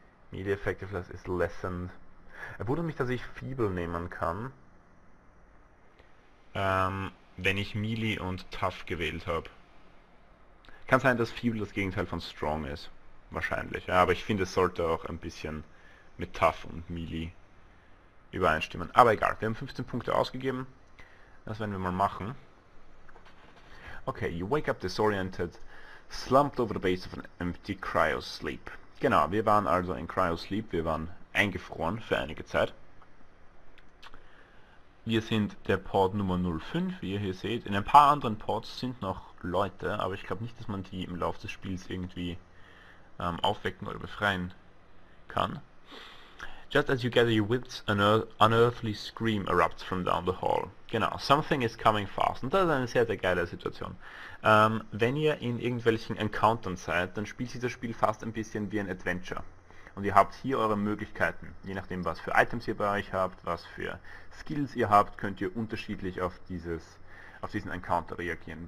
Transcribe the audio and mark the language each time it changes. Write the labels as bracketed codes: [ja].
[de] Melee Effectiveness ist lessened. Er wundert mich, dass ich Feeble nehmen kann, wenn ich Melee und Tough gewählt habe. Kann sein, dass Feeble das Gegenteil von Strong ist. Wahrscheinlich. Ja, aber ich finde, es sollte auch ein bisschen mit Tough und Melee übereinstimmen. Aber egal, wir haben 15 Punkte ausgegeben. Das werden wir mal machen. [en] Okay, you wake up disoriented, slumped over the base of an empty cryo sleep. [de] Genau, wir waren also in Cryo Sleep, wir waren eingefroren für einige Zeit. Wir sind der Port Nummer 05, wie ihr hier seht. In ein paar anderen Ports sind noch Leute, aber ich glaube nicht, dass man die im Laufe des Spiels irgendwie aufwecken oder befreien kann. [en] Just as you gather your wits, an unearthly scream erupts from down the hall. Genau, something is coming fast. [de] Und das ist eine sehr, sehr geile Situation. Wenn ihr in irgendwelchen Encountern seid, dann spielt sich das Spiel fast ein bisschen wie ein Adventure. Und ihr habt hier eure Möglichkeiten. Je nachdem, was für Items ihr bei euch habt, was für Skills ihr habt, könnt ihr unterschiedlich auf diesen Encounter reagieren.